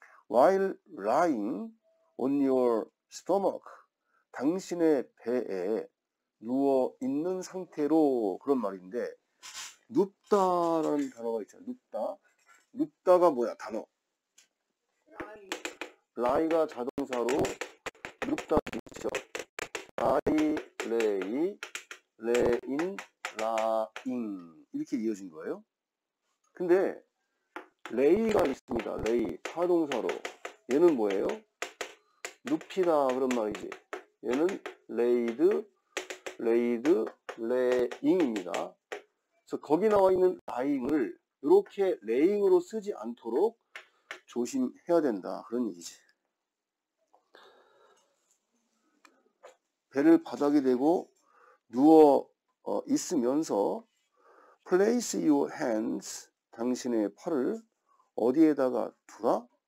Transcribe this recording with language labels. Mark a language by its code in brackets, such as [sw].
[en] While lying on your stomach, [ko] 당신의 배에 누워 있는 상태로 그런 말인데 눕다라는 단어가 있잖아. 눕다. 눕다가 뭐야, 단어? 라이가 자동사로 눕다 있죠. [en] I lay, lay in, lying [ko] 이렇게 이어진 거예요. 근데 lay가 있습니다. lay 타동사로 얘는 뭐예요? 눕히다 그런 말이지. 얘는 laid, laid, laying입니다. 그래서 거기 나와 있는 lying을 이렇게 laying으로 쓰지 않도록 조심해야 된다 그런 얘기지. 배를 바닥에 대고 누워 있으면서 [en] place your hands [ko] 당신의 팔을 어디에다가 두라?